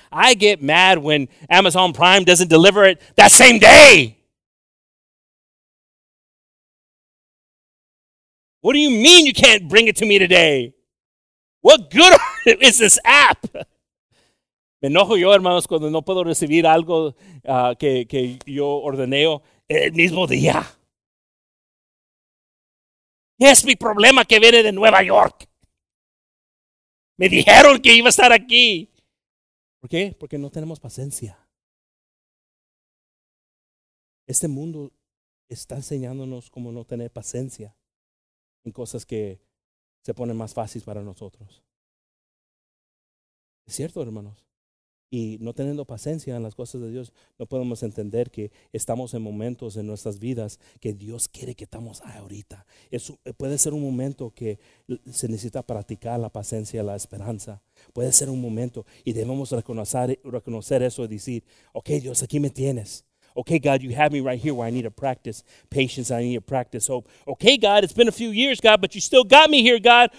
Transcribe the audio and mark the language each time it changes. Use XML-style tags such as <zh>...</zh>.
<en>I get mad when Amazon Prime doesn't deliver it that same day. What do you mean you can't bring it to me today? What good is this app?</en> <es>Me enojo yo, hermanos, cuando no puedo recibir algo que yo ordené el mismo día. ¿Qué es mi problema que viene de Nueva York? Me dijeron que iba a estar aquí. ¿Por qué? Porque no tenemos paciencia. Este mundo está enseñándonos cómo no tener paciencia en cosas que se ponen más fáciles para nosotros. Es cierto, hermanos. Y no teniendo paciencia en las cosas de Dios, no podemos entender que estamos en momentos en nuestras vidas que Dios quiere que estamos ahorita. Eso puede ser un momento que se necesita practicar la paciencia, la esperanza. Puede ser un momento y debemos reconocer eso y decir, ok, Dios, aquí me tienes.</es> <en>Ok, God, you have me right here where I need to practice patience, I need to practice hope. Ok, God, it's been a few years, God, but you still got me here, God.</en>